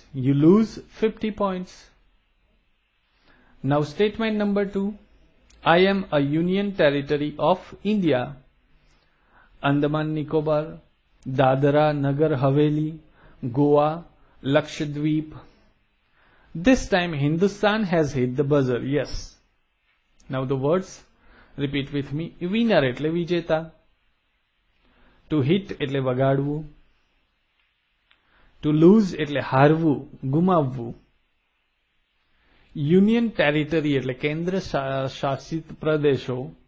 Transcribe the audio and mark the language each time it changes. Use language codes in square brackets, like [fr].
[en] You lose 50 point. Now statement number two, I am a union territory of India. Andaman Nicobar, Dadra Nagar Haveli, Goa, Lakshadweep. This time Hindustan has hit the buzzer, yes. Now the words, repeat with me. [gu] Winner એટલે વિજેતા, to hit એટલે વગાડવું, to lose એટલે હારવું, ગુમાવવું, union territory એટલે કેન્દ્ર શાસિત પ્રદેશો.